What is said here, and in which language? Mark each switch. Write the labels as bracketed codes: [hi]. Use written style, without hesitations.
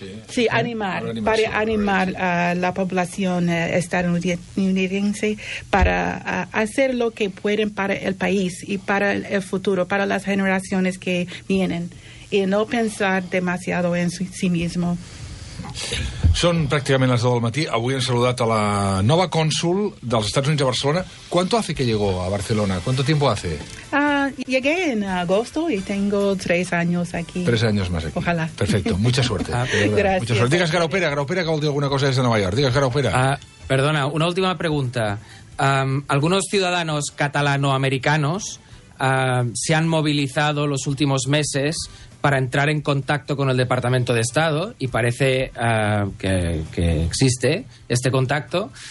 [es] Sí, animar, para animar a la población estadounidense para hacer lo que pueden para el país y para el futuro, para las generaciones que vienen, y no pensar demasiado en sí mismo. [ca] Són pràcticament les 10 del matí. Avui hem saludat a la nova cònsul dels Estats Units a Barcelona. [es] ¿Cuánto hace que llegó a Barcelona? ¿Cuánto tiempo hace? Llegué en agosto y tengo 3 años aquí. 3 años más aquí. Ojalá. Perfecto. Mucha suerte. Gracias. [ca] Mucha suerte. Digues, Garopera, Garopera, que vol dir alguna cosa des de Nova York. Digues, Garopera. [es] Perdona, una última pregunta. Algunos ciudadanos catalanoamericanos se han movilizado los últimos meses para entrar en contacto con el Departamento de Estado, y parece que existe este contacto.